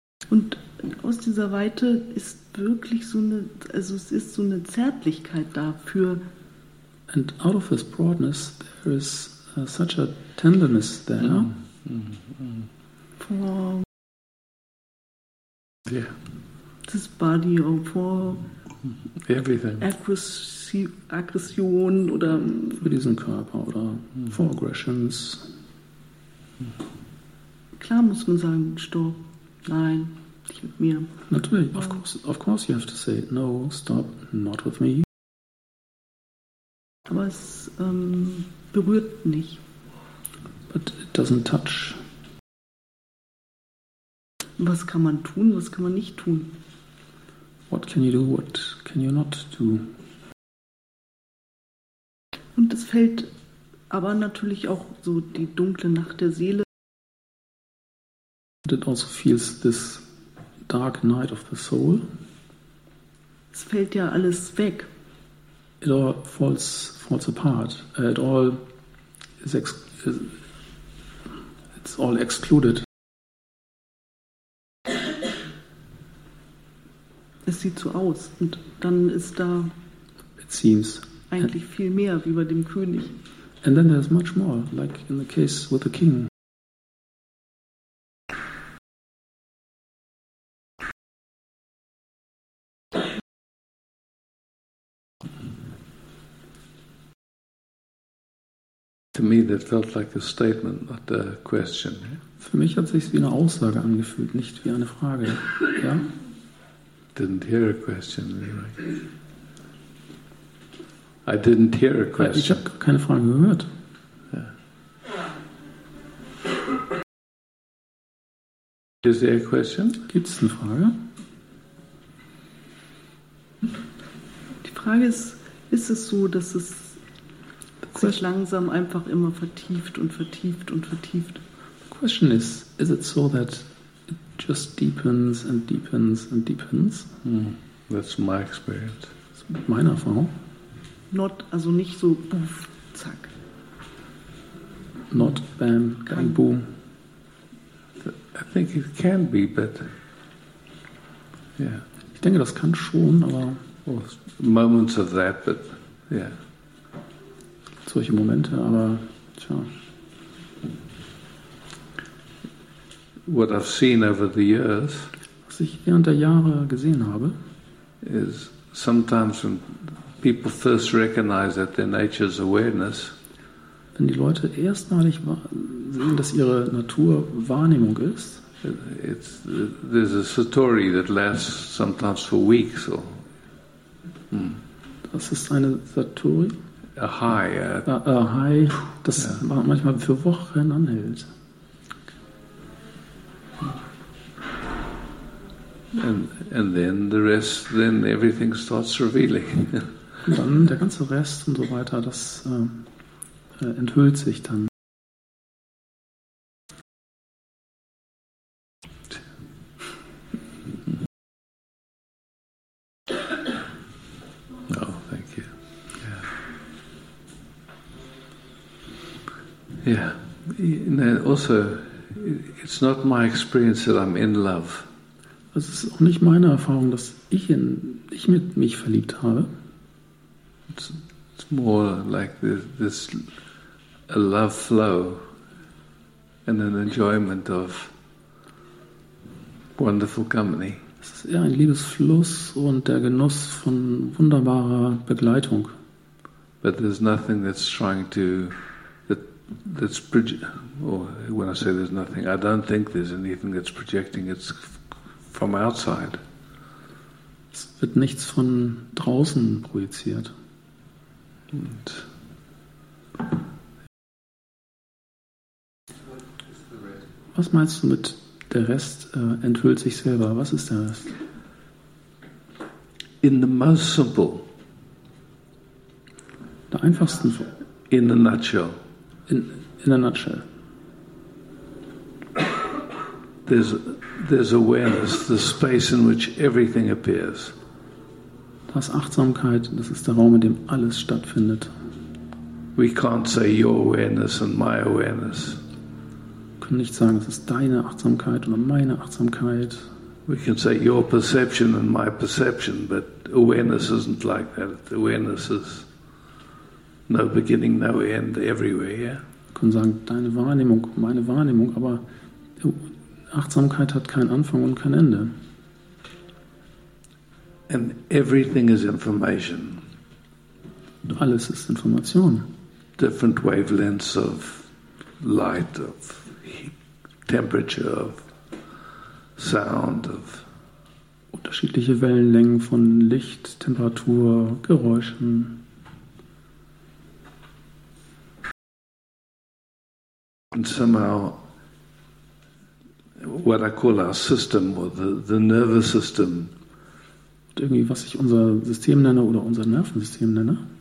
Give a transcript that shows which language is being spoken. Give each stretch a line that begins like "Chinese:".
German: Und aus dieser Weite ist wirklich so eine, also es ist so eine Zärtlichkeit dafür.
English: And out of this broadness, there is such a tenderness there. Mm. Mm. For. Yeah. This body or for. Everything.
German: Aggression oder. Für diesen Körper oder
English: for aggressions.
German: Klar muss man sagen, stopp, nein, nicht mit mir. Natürlich,
English: of course you have to say, no, stop, not with me.
German: Aber es berührt nicht.
English: But it doesn't touch.
German: Was kann man tun, was kann man nicht tun?
English: What can you do, what can you not do?
German: Und es fällt aber natürlich auch so die dunkle Nacht der Seele.
English: And it also feels this dark night of the soul.
German: Es fällt ja alles weg.
English: It all falls apart. It all is it's all excluded.
German: Es sieht so aus und dann ist da
English: it seems
German: eigentlich viel mehr wie bei dem König.
English: And then there's much more, like in the case with the king. To me that felt like a statement, not a question.
German: Für mich hat es sich wie eine Aussage angefühlt, nicht wie eine Frage. Ja?
English: Didn't hear a question.
German: Ich habe keine Fragen gehört.
English: Yeah. Is there a question?
German: Gibt es eine Frage? Die Frage ist, ist es so, dass es sich langsam einfach immer vertieft und vertieft und vertieft?
English: The question is it so that it just deepens and deepens and deepens? Mm. That's my experience.
German: Das ist meine Erfahrung.
English: Not,
German: also nicht so boom, zack.
English: Not bam,
German: kein boom.
English: I think it can be, but yeah.
German: Ich denke, das kann schon, aber.
English: Well, moments of that, but yeah.
German: Solche Momente, aber tja.
English: What I've seen over the years,
German: was ich während der Jahre gesehen habe,
English: is sometimes when people first recognize that their nature's awareness,
German: wenn die Leute erstmalig sehen, dass ihre Natur Wahrnehmung ist,
English: there's a satori that lasts sometimes for weeks. So.
German: Hmm. Das ist eine Satori.
English: A high. A high,
German: das yeah. Manchmal für Wochen anhält.
English: And then the rest, then everything starts revealing.
German: Und dann der ganze Rest und so weiter, das enthüllt sich dann.
English: Yeah, and then also, it's not my experience that I'm in love.
German: Es ist auch nicht meine Erfahrung, dass ich mit mich verliebt habe.
English: It's more like this a love flow and an enjoyment of wonderful company.
German: Es ist eher ein Liebesfluss und der Genuss von wunderbarer Begleitung.
English: But there's nothing that's trying to that's when I say there's nothing, I don't think there's anything that's projecting it's from outside.
German: Es wird nichts von draußen projiziert.
English: And
German: was meinst du mit der Rest enthüllt sich selber? Was ist der Rest?
English: In the most simple.
German: Der einfachsten Form.
English: In the nutshell. In a nutshell. There's awareness, the space in which everything appears.
German: Das ist Achtsamkeit, das ist der Raum, in dem alles stattfindet.
English: We can't say your awareness and my awareness.
German: Wir können nicht sagen, es ist deine Achtsamkeit oder meine Achtsamkeit.
English: We can say your perception and my perception, but awareness isn't like that. Awareness is no beginning, no end, everywhere. Yeah?
German: Wir können sagen, deine Wahrnehmung, meine Wahrnehmung, aber Achtsamkeit hat keinen Anfang und kein Ende.
English: And everything is information.
German: Alles ist Information.
English: Different wavelengths of light, of temperature, of sound, of
German: unterschiedliche Wellenlängen von Licht, Temperatur, Geräuschen.
English: And somehow what I call our system or the nervous system.
German: Und irgendwie, was ich unser System nenne oder unser Nervensystem nenne.